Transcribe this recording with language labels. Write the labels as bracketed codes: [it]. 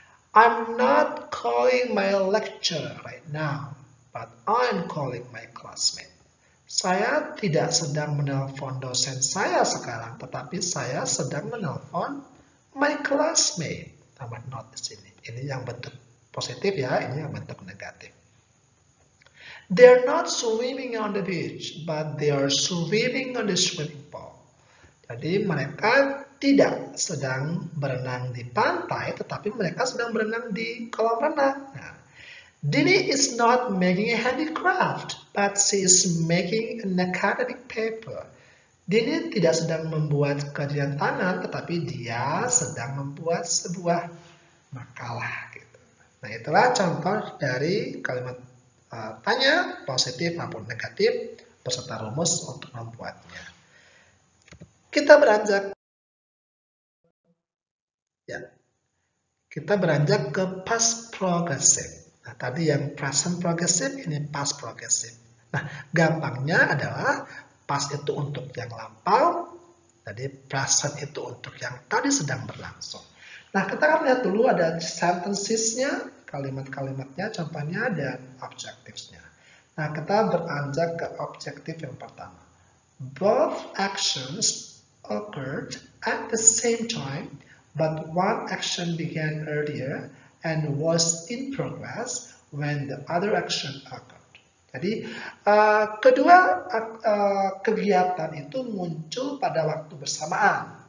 [en] I'm not calling my lecturer right now, but I'm calling my classmate. [id] Saya tidak sedang menelpon dosen saya sekarang, tetapi saya sedang menelpon [en] my classmate. [id] Tambah not di sini, ini yang bentuk positif ya, ini yang bentuk negatif. [en] They're not swimming on the beach, but they are swimming on the swimming pool. [id] Jadi mereka tidak sedang berenang di pantai, tetapi mereka sedang berenang di kolam renang. [en] Nah, Dini is not making a handicraft, but she is making an academic paper. [id] Dini tidak sedang membuat kerjaan tangan, tetapi dia sedang membuat sebuah makalah. Nah, itulah contoh dari kalimat tanya, positif maupun negatif, beserta rumus untuk membuatnya. Kita beranjak ya. Kita beranjak ke past progressive. Nah, tadi yang present progressive, ini past progressive. Nah, gampangnya adalah past itu untuk yang lampau, jadi present itu untuk yang tadi sedang berlangsung. Nah, kita akan lihat dulu ada sentences-nya, kalimat-kalimatnya, contohnya, dan objectives-nya. Nah, kita beranjak ke objektif yang pertama. [en] Both actions occurred at the same time, but one action began earlier and was in progress when the other action occurred. [id] Jadi, kedua kegiatan itu muncul pada waktu bersamaan.